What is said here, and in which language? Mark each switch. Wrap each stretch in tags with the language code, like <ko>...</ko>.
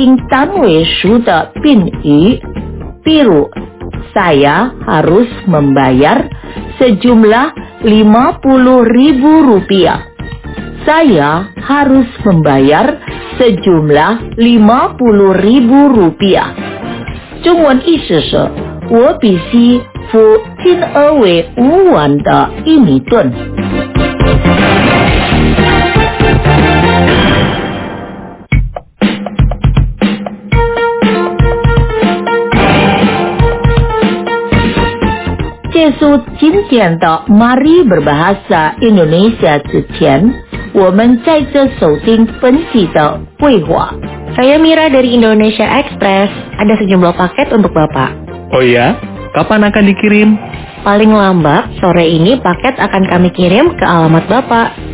<zh>如果它后面跟一个有一定单位数的宾语， 比如</zh> <id>saya harus membayar sejumlah 50 ribu rupiah. Saya harus membayar sejumlah 50 ribu rupiah.</id> <zh>中文意思是 我必须付金额为5万的一米盾。结束今天的Mari Berbahasa Indonesia 之前， 我们在这收听本期的会话。</zh> <id>Saya Mira dari Indonesia Express. Ada sejumlah paket untuk Bapak. Oh iya? Kapan akan dikirim? Paling lambat sore ini paket akan kami kirim ke alamat Bapak.</id>